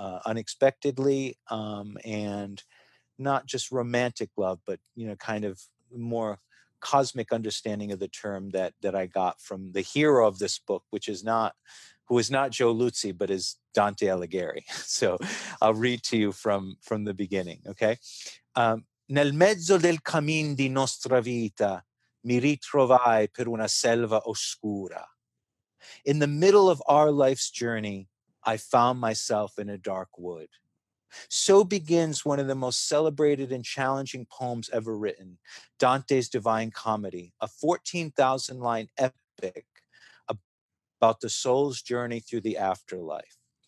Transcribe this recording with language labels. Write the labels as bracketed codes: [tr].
[en] Unexpectedly, and not just romantic love, but, you know, kind of more cosmic understanding of the term that I got from the hero of this book, who is not Joe Luzzi, but is Dante Alighieri. So I'll read to you from the beginning, okay? [it] Nel mezzo del cammin di nostra vita mi ritrovai per una selva oscura. [en] In the middle of our life's journey, I found myself in a dark wood. So begins one of the most celebrated and challenging poems ever written, Dante's Divine Comedy, a 14,000-line epic about the soul's journey through the afterlife.